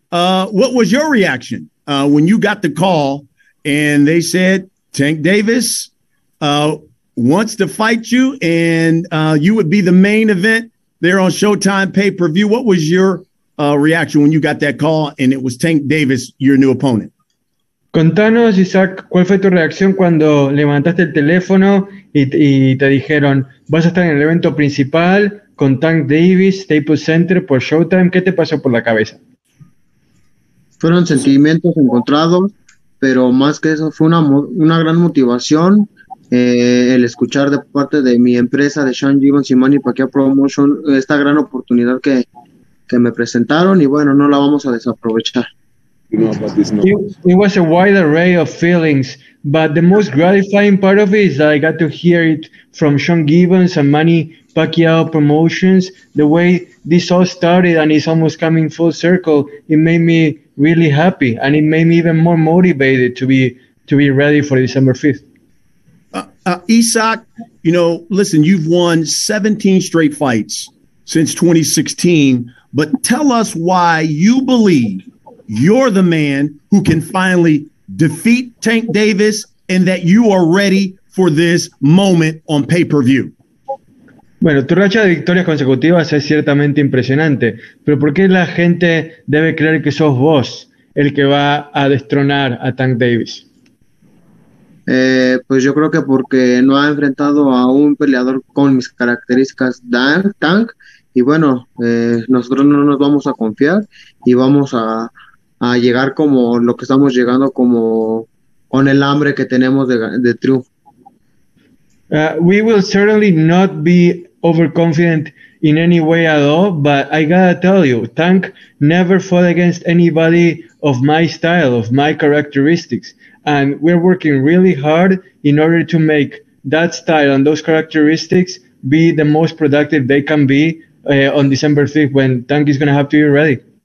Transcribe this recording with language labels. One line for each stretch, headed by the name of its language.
English: What was your reaction when you got the call and they said Tank Davis wants to fight you and you would be the main event there on Showtime pay-per-view? What was your reaction when you got that call and it was Tank Davis, your new opponent?
Spanish: Contanos, Isaac, ¿cuál fue tu reacción cuando levantaste el teléfono y te dijeron vas a estar en el evento principal con Tank Davis, Staples Center por Showtime? ¿Qué te pasó por la cabeza? Fueron sentimientos encontrados, pero más que eso fue una gran motivación el escuchar de parte de mi empresa, de Sean Gibbons y Manny Pacquiao Promotion, esta gran oportunidad que me presentaron, y bueno, no la vamos a desaprovechar.
English: It was a wide array of feelings, but the most gratifying part of it is that I got to hear it from Sean Gibbons and Manny Pacquiao Promotions. The way this all started and it's almost coming full circle, it made me really happy, and it made me even more motivated to be ready for December 5th. Isaac, you know, listen, you've won 17 straight fights since 2016, but tell us why you believe you're the man who can finally defeat Tank Davis and that you are ready for this moment on pay-per-view.
Spanish: Bueno, tu racha de victorias consecutivas es ciertamente impresionante, pero ¿por qué la gente debe creer que sos vos el que va a destronar a Tank Davis? Pues yo creo que porque no ha enfrentado a un peleador con mis características Tank, y bueno, nosotros no nos vamos a confiar y vamos a llegar como lo que estamos llegando, como con el hambre que tenemos de triunfo.
English: We will certainly not be overconfident in any way at all, but I gotta tell you, Tank never fought against anybody of my style, of my characteristics. And we're working really hard in order to make that style and those characteristics be the most productive they can be on December 5th when Tank is going to have to be ready.